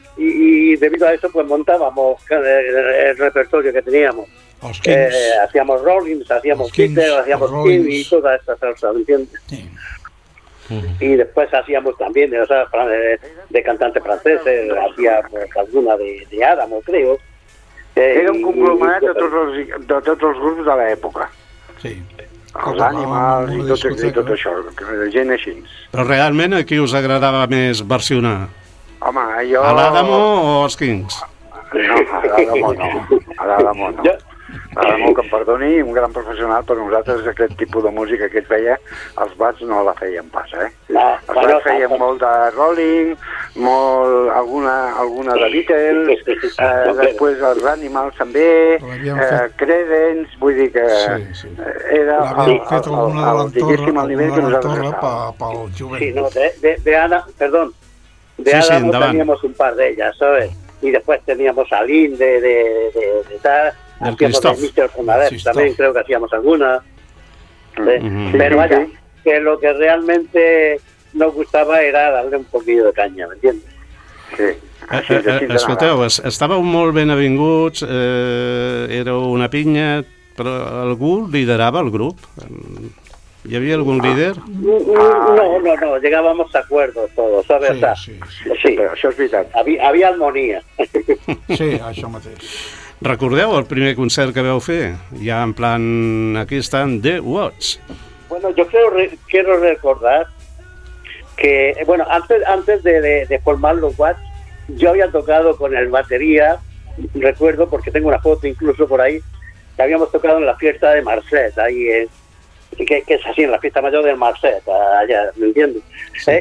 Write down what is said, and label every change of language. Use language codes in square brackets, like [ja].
[es] Y debido a eso, pues, montábamos el repertorio que teníamos. Hacíamos Rollins, hacíamos Peter, hacíamos King y toda esa salsa, ¿entiendes? Sí. Uh-huh. Y después hacíamos también, o sea, de cantantes franceses, hacíamos alguna de Adamo, creo. [ca] Era un conglomerat de tots els grups de l'època. Sí. Els Animals i tot això, gent així. Però realment a qui us agradava més versionar? Home, jo... A l'Adamo o als Kings? No, a l'Adamo no. Adamo, que em perdoni, un gran professional, però nosaltres aquest tipus de música que ell feia, els Bats no la feien pas, Els Bats feien molt de Rolling, molt alguna de Beatles, després els Animals també, Credence, vull dir que era el diguéssim al nivell que nosaltres estàvem. Pel jovent. [es] Sí, no, de Anna, perdó, de Adamo teníamos un par d'elles, ¿sabes? [ca] I després [es] teníamos a Lynn de tal... [ca] Del Christophe. [es] También creo que hacíamos alguna. Pero vaya, que lo que realmente nos gustaba era darle un poquillo de caña, ¿me entiendes? Sí. [ca] Escolteu, estàveu molt ben avinguts, éreu una pinya, però algú liderava el grup? ¿Hi havia algun líder? [es] No, llegábamos a acuerdos todos, ¿sabes? [ca] Sí, però això és veritat. [es] Había armonía. [ca] Sí, això mateix. Recordeu el primer concert que vau fer? Ja en plan, aquí estan The Watts. [es] Bueno, yo creo, quiero recordar que, bueno, antes de formar los Watts, yo había tocado con el batería, recuerdo, porque tengo una foto incluso por ahí, que habíamos tocado en la fiesta de Marcet, ahí que es así, en la fiesta mayor de Marcet, allá, ¿me entiendes? Sí.